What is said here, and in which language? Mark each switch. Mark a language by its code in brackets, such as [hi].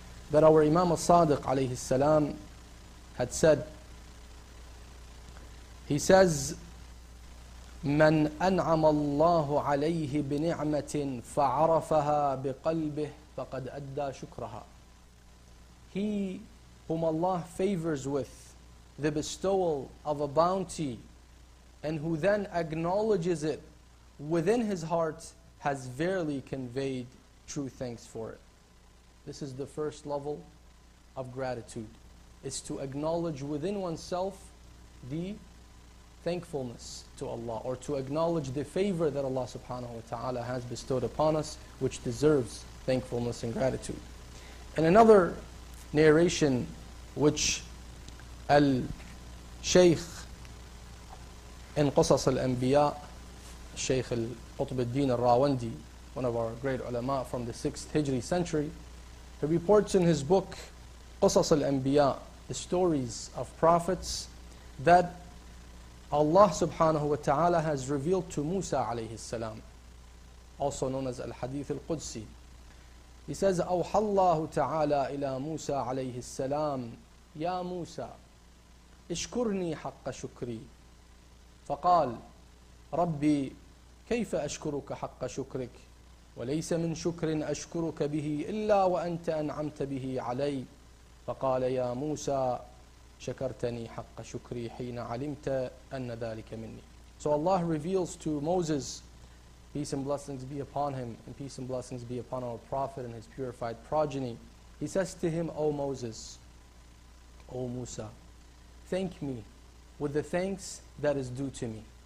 [en] that our Imam al-Sadiq alayhi salam had said. He says, [ar] من أنعم الله عليه بنعمة فعرفها بقلبه فقد أدى شكرها. [en] He whom Allah favors with the bestowal of a bounty and who then acknowledges it within his heart has verily conveyed true thanks for it. This is the first level of gratitude, is to acknowledge within oneself the thankfulness to Allah, or to acknowledge the favor that Allah subhanahu wa ta'ala has bestowed upon us, which deserves thankfulness and gratitude. And another narration which Al-Shaykh in Qasas al-Anbiya, Shaykh al-Qutb al-Din al-Rawandi, one of our great ulama from the 6th Hijri century, he reports in his book Qasas al-Anbiya, the stories of prophets, that Allah subhanahu wa ta'ala has revealed to Musa alayhi salam, also known as Al-Hadith al-Qudsi. He says, [ar] أَوْحَى اللَّهُ تَعَالَى إِلَى مُوسَى عَلَيْهِ السَّلَامِ يَا مُوسَى اشْكُرْنِي حَقَّ شُكْرِي فقال ربي كيف أشكرك حق شكرك وليس من شكر أشكرك به إلا وأنت أنعمت به علي فقال يا موسى شكرتني حق شكري حين علمت أن ذلك مني. [en] So Allah reveals to Moses, peace and blessings be upon him, and peace and blessings be upon our prophet and his purified progeny. He says to him, O Moses, O Musa, thank me with the thanks that is due to me.